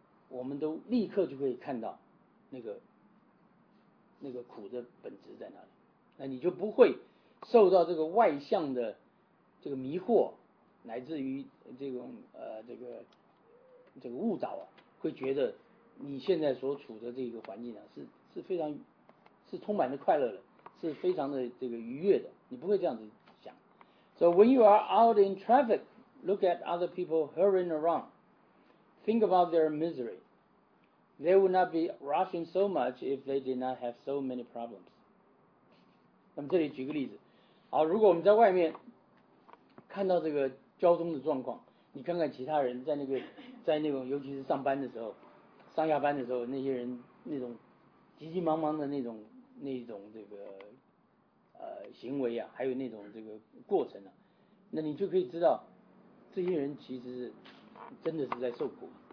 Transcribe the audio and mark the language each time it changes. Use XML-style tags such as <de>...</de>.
<zh>我们都立刻就可以看到那个苦的本质在哪里，那你就不会受到这个外向的这个迷惑，乃至于这个误导啊，会觉得你现在所处的这个环境啊是非常是充满着快乐的，是非常的这个愉悦的，你不会这样子想。</zh> <en>So when you are out in traffic, look at other people hurrying around. Think about their misery. They would not be rushing so much if they did not have so many problems.</en> <zh>那么这里举个例子，好，如果我们在外面看到这个交通的状况，你看看其他人在那种，尤其是上班的时候、上下班的时候，那些人那种急急忙忙的那种这个行为啊，还有那种这个过程啊，那你就可以知道这些人其实真的是在受苦。</zh>